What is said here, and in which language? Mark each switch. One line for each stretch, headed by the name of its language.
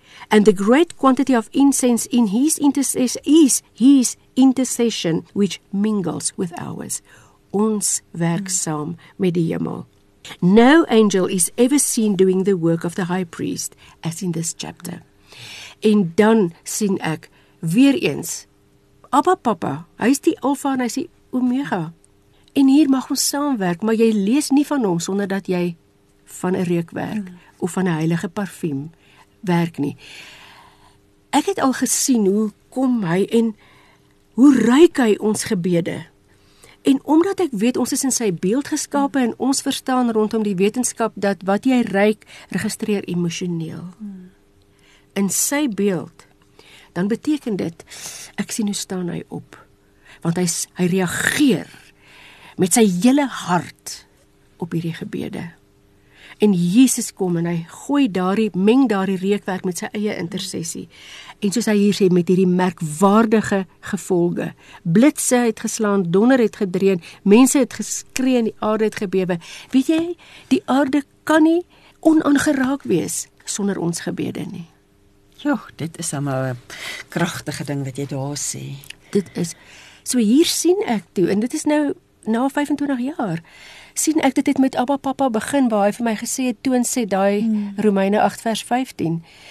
English: And the great quantity of incense in his intercession is his intercession, which mingles with ours.
Afrikaans: Ons werk saam met die hemel.
English: No angel is ever seen doing the work of the high priest, as in this chapter.
Afrikaans: En dan sien ek, weer eens, Abba Papa, hy is die Alfa en hy is die Omega. En hier mag ons saamwerk, maar jy lees nie van hom sonder dat jy van 'n reukwerk of van 'n heilige parfum werk nie. Ek het al gesien hoe kom hy en hoe ruik hy ons gebede. En omdat ek weet ons is in sy beeld geskape en ons verstaan rondom die wetenskap dat wat jy ruik, registreer emosioneel. In sy beeld, dan beteken dit, ek sien hoe staan hy op. Want hy reageer met sy hele hart op hierdie gebede. En Jesus kom en hy gooi daardie meng daardie reukwerk met sy eie intersessie. En soos hy hier sê met hierdie merkwaardige gevolge. Blitse het geslaan, donder het gedreun, mense het geskree en die aarde het gebewe. Weet jy, die aarde kan nie onaangeraak wees sonder ons gebede nie. Ja, dit is 'n kragtige ding wat jy daar sê. Dit is. So hier sien ek toe en dit is nou na 25 jaar. Sien ek dit het met Abba Papa begin waar hy vir my gesê het toon sê daai Romeine 8 vers 15.